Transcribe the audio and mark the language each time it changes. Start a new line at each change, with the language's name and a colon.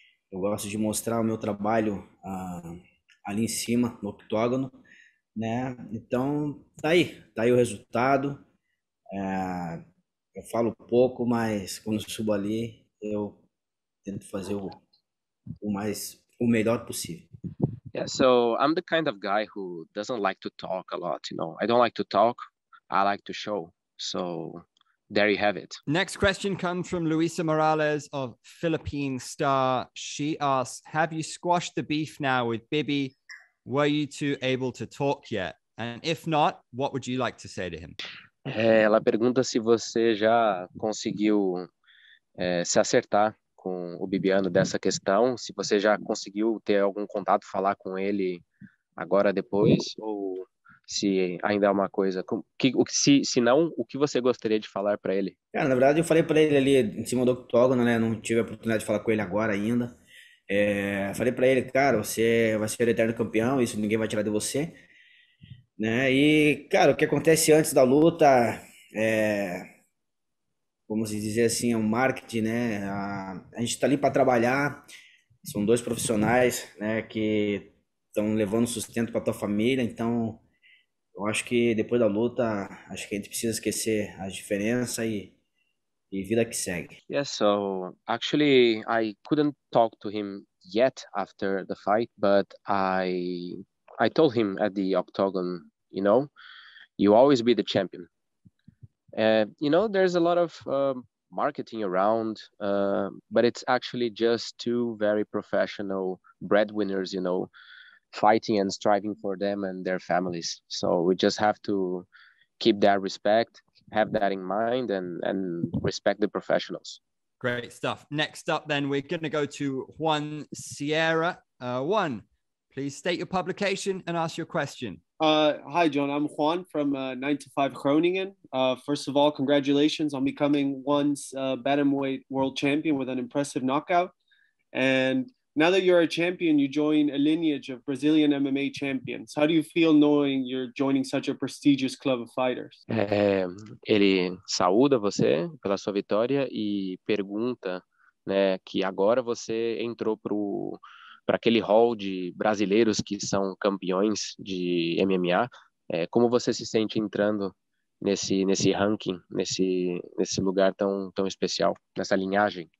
Portuguese: Eu gosto de mostrar o meu trabalho ali em cima, no octógono, né? Então, tá aí o resultado. Eu falo pouco, mas quando eu subo ali, eu tento fazer o melhor possível.
English: Yeah, so I'm the kind of guy who doesn't like to talk a lot, you know? I don't like to talk, I like to show, so... There you have it. Next question comes from Luisa Morales of Philippine Star. She asks, have you squashed the beef now with Bibby? Were you two able to talk yet? And if not, what would you like to say to him?
Portuguese: Ela pergunta se você já conseguiu se acertar com o Bibiano dessa questão, se você já conseguiu ter algum contato, falar com ele agora, depois, ou... Se ainda é uma coisa, se não, o que você gostaria de falar para ele? Cara, na verdade, eu falei para ele ali em cima do octógono, né? Não tive a oportunidade de falar com ele agora ainda. Falei para ele, cara, você vai ser o eterno campeão, isso ninguém vai tirar de você, né? E, cara, o que acontece antes da luta é, vamos dizer assim, é um marketing, né? A gente tá ali para trabalhar, são dois profissionais, né, que estão levando sustento para tua família, então. Eu acho que depois da luta, acho que a gente precisa esquecer a diferença e vida que segue.
English: Yeah, so actually I couldn't talk to him yet after the fight, but I told him at the octagon, you know, you always be the champion. You know, there's a lot of marketing around, but it's actually just two very professional breadwinners, you know, fighting and striving for them and their families. So we just have to keep that respect, have that in mind, and respect the professionals. Great stuff. Next up then, we're going to go to Juan Sierra. Juan, please state your publication and ask your question. Hi, John. I'm Juan from 9to5 Groningen. First of all, congratulations on becoming once bantamweight world champion with an impressive knockout. And now that you're a champion, you join a lineage of Brazilian MMA champions. How do you feel knowing you're joining such a prestigious club of fighters?
Portuguese: Ele saúda você pela sua vitória e pergunta, né, que agora você entrou para aquele hall de brasileiros que são campeões de MMA. Como você se sente entrando nesse ranking, nesse lugar tão, tão especial, nessa linhagem?